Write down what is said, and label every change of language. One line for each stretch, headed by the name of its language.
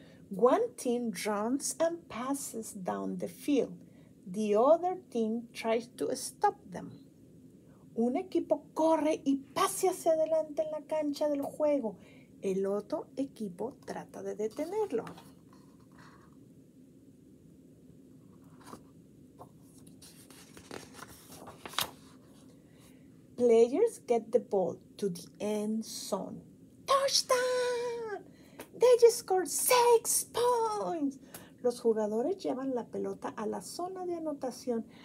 English: One team runs and passes down the field. The other team tries to stop them.
Spanish: Un equipo corre y pase hacia adelante en la cancha del juego. El otro equipo trata de detenerlo.
English: Players get the ball to the end zone. Touchdown! They score 6 points.
Spanish: Los jugadores llevan la pelota a la zona de anotación.